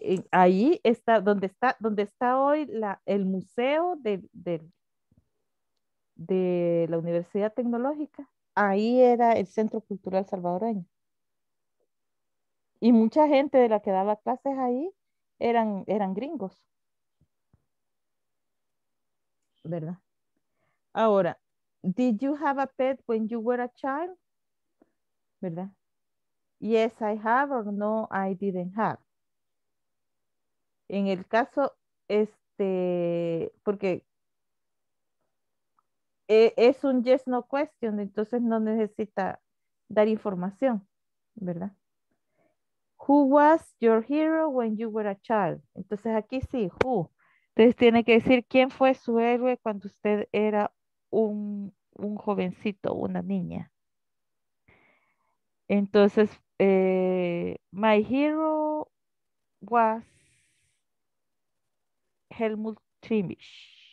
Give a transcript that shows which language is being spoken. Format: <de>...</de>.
<es>Ahí está donde está hoy el museo de la Universidad Tecnológica. Ahí era el Centro Cultural Salvadoreño. Y mucha gente de la que daba clases ahí eran gringos. ¿Verdad?</es> <en>Ahora, did you have a pet when you were a child? ¿Verdad? Yes, I have, or no, I didn't have.</en> <es>En el caso, porque es un</es> <en>yes, no question,</en> <es>entonces no necesita dar información, ¿verdad?</es> <en>Who was your hero when you were a child?</en> <es>Entonces aquí sí, who. Entonces tiene que decir quién fue su héroe cuando usted era un jovencito, una niña.</es> <en>Entonces, my hero was Helmut Trimisch.</en>